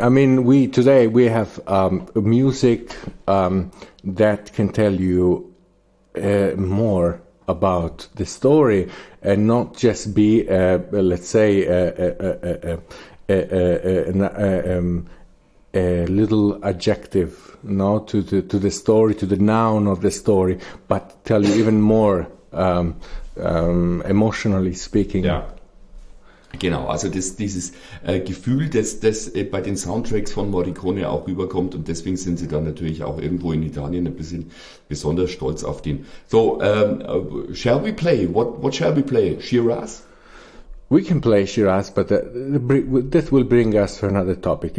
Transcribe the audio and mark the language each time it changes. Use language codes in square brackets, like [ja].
[en] I mean, we have music that can tell you more about the story, and not just be, let's say, a little adjective, no, to the story, to the noun of the story, but tell you even more. Emotionally speaking. [de] Ja, genau, also dieses Gefühl, das bei den Soundtracks von Morricone auch rüberkommt, und deswegen sind sie dann natürlich auch irgendwo in Italien ein bisschen besonders stolz auf den. [en] So, shall we play? What shall we play? Shiraz? We can play Shiraz, but this will bring us to another topic.